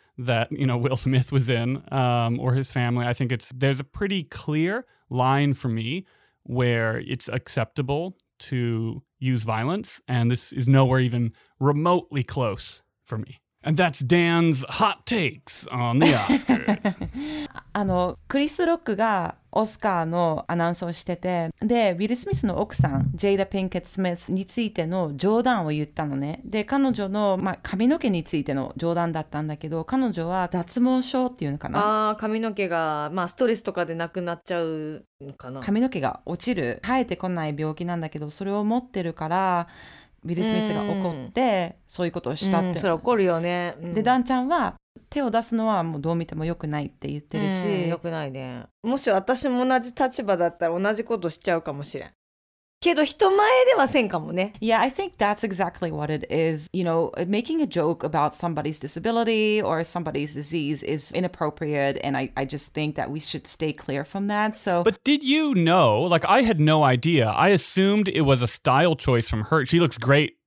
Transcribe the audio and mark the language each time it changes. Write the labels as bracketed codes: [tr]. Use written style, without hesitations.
[en] That, you know, Will Smith was in, or his family. I think there's a pretty clear line for me where it's acceptable to use violence, and this is nowhere even remotely close for me. And that's Dan's hot takes on the Oscars. [ja] あの、クリス・ロックがオスカーのアナウンスをしてて、で、ウィル・スミスの奥さん、ジェイダ・ピンケット・スミスについての冗談を言ったのね。で、彼女の、まあ、髪の毛についての冗談だったんだけど、彼女は脱毛症っていうのかな。ああ、髪の毛が、まあ、ストレスとかでなくなっちゃうのかな。髪の毛が落ちる、生えてこない病気なんだけど、それを持ってるから、ウィル・スミスが怒って、そういうことをしたって。それ怒るよね。で、ダンちゃんは、手を出すのはもうどう見ても良くないって言ってるし、良くないね。もし私も同じ立場だったら同じことしちゃうかもしれん。けど人前ではせんかもね。 [en] Yeah, I think that's exactly what it is. You know, making a joke about somebody's disability or somebody's disease is inappropriate, and I just think that we should stay clear from that. So, but did you know, like, I had no idea. I assumed it was a style choice from her. She looks great.